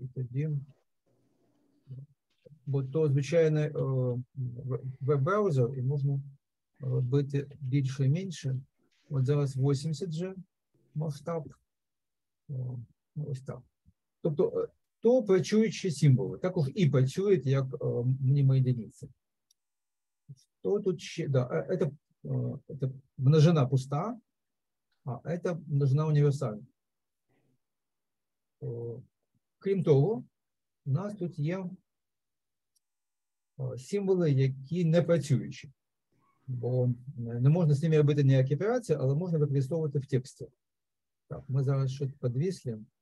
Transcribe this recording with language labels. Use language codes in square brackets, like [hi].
[uk] І тоді… Бо то звичайний веб-браузер, і можна робити більше і менше. От зараз 80 вже масштаб. Ось так. Тобто то працюючі символи. Також і працюють, як мені мої дениці. [ru] Что тут? Да, это [uk] множина пуста, [ru] а это [uk] множина универсальна. Крім того, у нас тут є символи, які не працюючі, бо не можна з ними робити ніякі операції, але можна використовувати в тексті. Так, ми зараз щось підвісли.